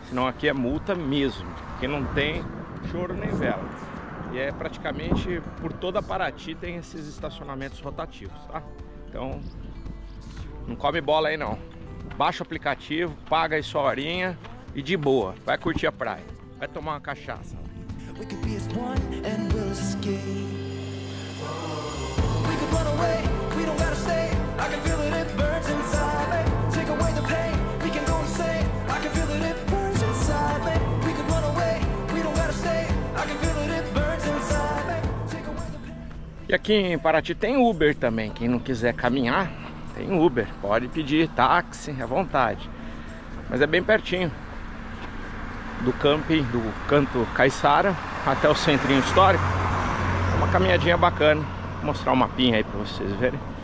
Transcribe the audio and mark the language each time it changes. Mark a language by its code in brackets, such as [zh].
[pt] Senão aqui é multa mesmo, porque não tem choro nem vela. E é praticamente por toda Paraty tem esses estacionamentos rotativos, tá? Então, não come bola aí não. Baixa o aplicativo, paga aí sua horinha e de boa, vai curtir a praia. Vai tomar uma cachaça. [en] We could be as one and we'll escape. We could run away, we don't gotta stay. I can feel it, it burns inside me. Take away the pain, we can go insane. I can feel it, it burns inside me. We could run away, we don't gotta stay. I can feel it, it burns inside me. [pt] E aqui em Paraty tem Uber também. Quem não quiser caminhar, tem Uber. Pode pedir táxi à vontade. Mas é bem pertinho do camping, do canto Caiçara até o centrinho histórico. Uma caminhadinha bacana. Vou mostrar o mapinha aí pra vocês verem.